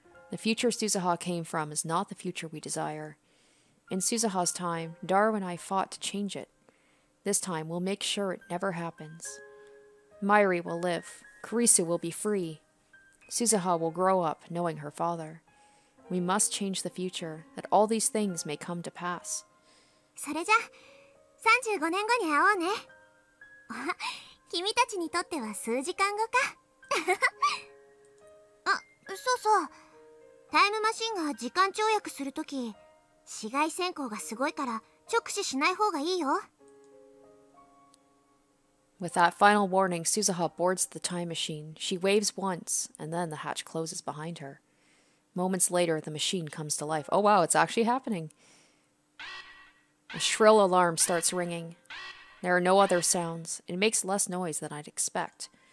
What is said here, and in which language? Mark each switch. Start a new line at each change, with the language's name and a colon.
English: The future Suzuha came from is not the future we desire. In Suzuha's time, Daru and I fought to change it. This time, we'll make sure it never happens. Mayuri will live. Karisu will be free. Suzuha will grow up knowing her father. We must change the future, that all these things may come to pass.
Japanese: それじゃ、35年後に会おうね。君たちにとっては数時間後か。あ、そうそう。タイムマシンが時間跳躍するとき、紫外線光がすごいから直視しない方がいいよ。
English: With that final warning, Suzuha boards the time machine. She waves once, and then the hatch closes behind her. Moments later, the machine comes to life. Oh wow, it's actually happening. A shrill alarm starts ringing. There are no other sounds. It makes less noise than I'd expect.